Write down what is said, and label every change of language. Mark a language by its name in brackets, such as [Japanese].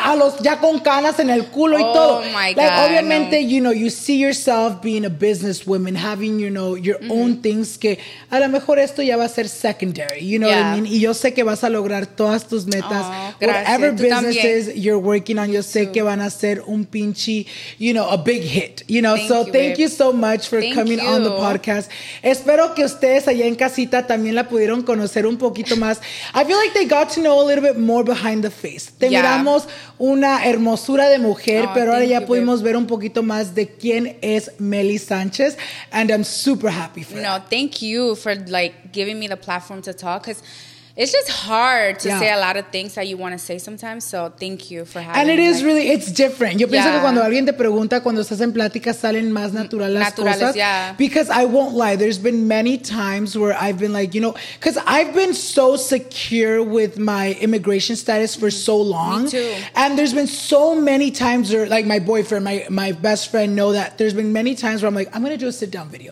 [Spanish] A los ya con canas en el culo y todo. [English] Oh my God. Like, obviamente, you know, you see yourself being a businesswoman, having, you know, your own things [Spanish] que a lo mejor esto ya va a ser [English] secondary, you know what I mean? [Spanish] Y yo sé que vas a lograr todas tus metas. [English] Oh, whatever businesses you're working on, [Spanish] yo sé que van a ser un pinche, [English] you know, a big hit, you know. Thank you so much for coming on the podcast. [Spanish] Espero que ustedes allá en casita también la pudieron conocer un poquito más. [English] I feel like they got to know a little bit more behind the face. [Spanish] Te miramos una hermosura de mujer, pero ahora ya pudimos ver un poquito más de quién es Melly Sanchez, [English] and I'm super happy for that. Thank you for, like, giving me the platform to talk, because it's just hard to say a lot of things that you want to say sometimes. So thank you for having me. And it is really, it's different. [Spanish] Yo pienso que cuando alguien te pregunta, cuando estás en plática, salen más natural las naturales, cosas. [English] Because I won't lie, there's been many times where I've been like, you know, because I've been so secure with my immigration status for so long. Me too. And there's been so many times where, like, my boyfriend, my best friend know that there's been many times where I'm like, I'm going to do a sit-down video.